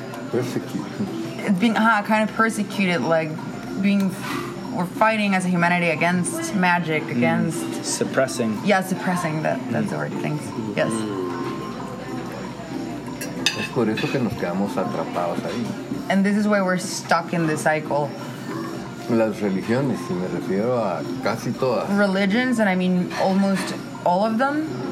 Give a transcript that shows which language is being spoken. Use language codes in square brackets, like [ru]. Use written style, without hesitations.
[en] persecuted. Being kind of persecuted, like being we're fighting as a humanity against magic, against suppressing. Yeah, suppressing. That's the word. Thanks. Yes. [es] Es por eso que nos quedamos atrapados ahí. [en] And this is why we're stuck in the cycle. [es] Las religiones, y me refiero a casi todas. [en] Religions, and I mean almost all of them.